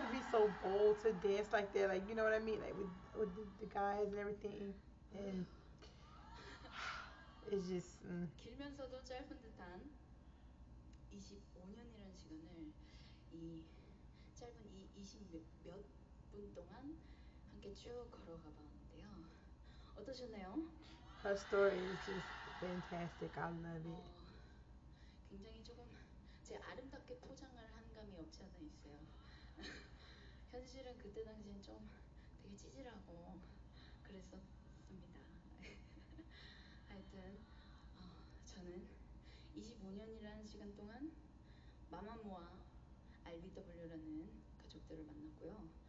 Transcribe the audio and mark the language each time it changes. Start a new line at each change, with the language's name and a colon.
English: so bold to dance like that, like, you know what I mean, like with the guys and everything, and it's just
Korean: 길면서도 짧은 듯한 25년이라는 시간을 이 짧은 이 20몇 분 동안 함께 쭉 걸어가 봤는데요. 어떠셨나요?
English: Her story is just fantastic. I love it.
Korean: 굉장히 조금 제 아름답게 포장을 한 감이 없지 않아 있어요. 현실은 그때 당시엔 좀 되게 찌질하고 그랬었습니다. 하여튼 저는 25년이라는 시간 동안 마마무와 RBW라는 가족들을 만났고요.